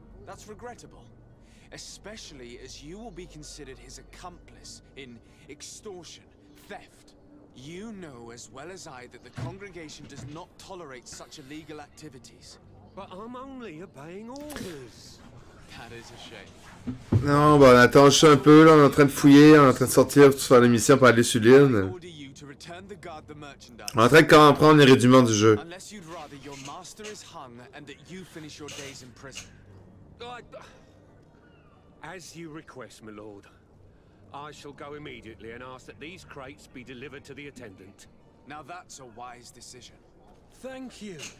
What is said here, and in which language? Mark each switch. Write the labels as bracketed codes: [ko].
[en] That's regrettable, especially as you will be considered his accomplice in extortion, theft. You know as well as I that the Congregation does not tolerate such illegal activities. But I'm only obeying orders. That is a shame. [fr] Non, bah on attend juste un peu là, on est en train de fouiller, on est en train de sortir pour faire l'émission pour aller sur l'île. On est en train de comprendre les rudiments du jeu. [en] Unless you'd rather your master is hung and that you finish your days in prison. As you request, my lord, I shall go immediately and ask that these crates be delivered to the attendant. Now that's a wise decision. Thank you.